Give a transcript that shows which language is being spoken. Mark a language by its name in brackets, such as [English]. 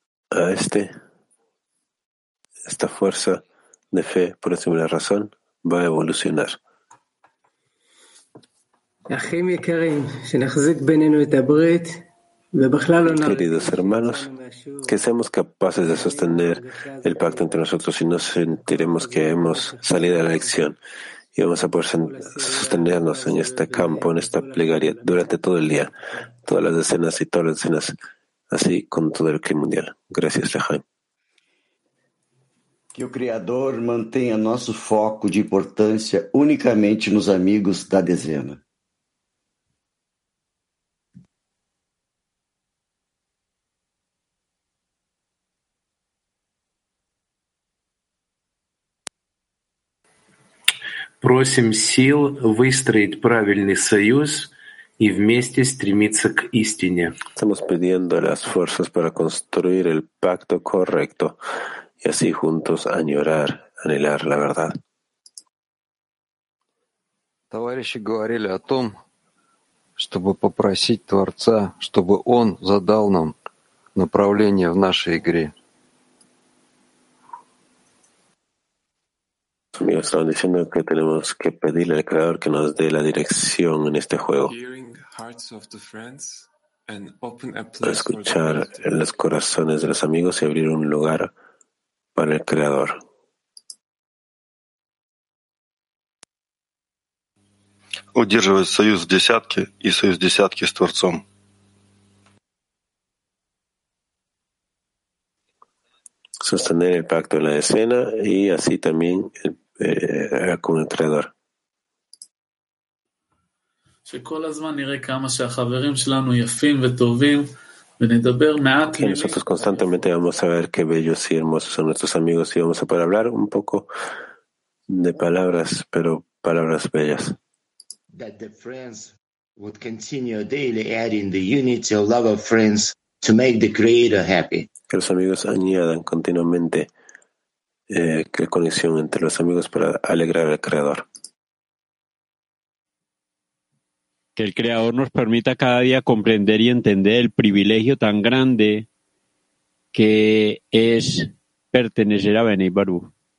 [Spanish] A esta fuerza de fe, por esa misma razón, va a evolucionar. [Hebrew] Achim yekarim, שנחזיק בינינו את הברית. [Spanish] Queridos hermanos, que seamos capaces de sostener el pacto entre nosotros y no sentiremos que hemos salido de la lección y vamos a poder sostenernos en este campo, en esta plegaria, durante todo el día, todas las decenas y todas las decenas, así con todo el clima mundial. Gracias, Lehaim. [Portuguese] Que o Criador mantenha nosso foco de importância unicamente nos amigos da dezena. [Russian] Просим сил выстроить правильный союз и вместе стремиться к истине. [Spanish] Estamos pidiendo las fuerzas para construir el pacto correcto. Y así juntos añorar, anhelar la verdad. [Russian] Товарищи говорили о том, чтобы попросить Творца, чтобы Он задал нам направление в нашей игре. [Spanish] Amigos, estaban diciendo que tenemos que pedirle al Creador que nos dé la dirección en este juego. Escuchar en los corazones de los amigos y abrir un lugar para el Creador. [Russian] Удерживать союз в десятке и союз десятки с Творцом. [Spanish] Sostener el pacto en la decena y así también el con el Creador. Que nosotros constantemente vamos a ver qué bellos y hermosos son nuestros amigos y vamos a poder hablar un poco de palabras, pero palabras bellas. [English] That the friends would continue daily adding the unity of love of friends to make the Creator happy. [Spanish] Que los amigos añadan continuamente que conexión entre los amigos para alegrar al Creador. Que el Creador nos permita cada día comprender y entender el privilegio tan grande que es pertenecer a Bnei Baruj.